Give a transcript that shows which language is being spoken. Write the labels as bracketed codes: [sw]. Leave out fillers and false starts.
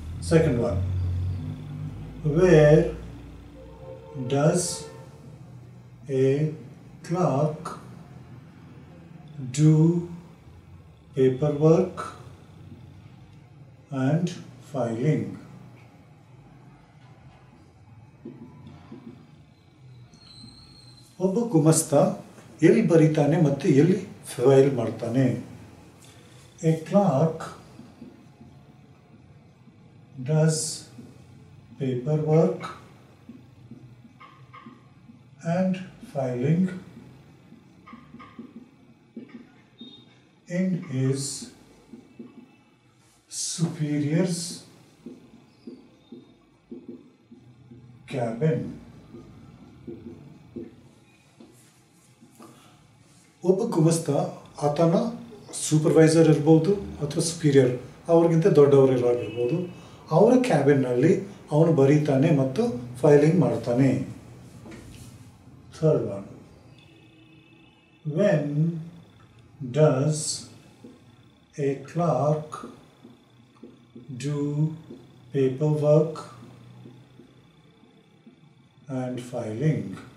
[en] Second one, where does a clerk do paperwork and filing? [kn] ಒಬ್ಬ ಗುಮಸ್ತ ಎಲ್ಲಿ ಬರೀತಾನೆ ಮತ್ತು ಎಲ್ಲಿ ಫೈಲ್ ಮಾಡ್ತಾನೆ? [en] A clerk does paperwork and filing in his superior's cabin. [kn] Upakumasta atana supervisor ಇರ್ಬೋದು ಅಥವಾ superior, ಅವ್ರಿಗಿಂತ ದೊಡ್ಡವರಿರೋರಾಗಿರ್ಬೋದು, ಅವರ ಕ್ಯಾಬಿನ್ನಲ್ಲಿ ಅವನು ಬರೀತಾನೆ ಮತ್ತು ಫೈಲಿಂಗ್ ಮಾಡ್ತಾನೆ. [en] Third one, when does a clerk do paperwork and filing?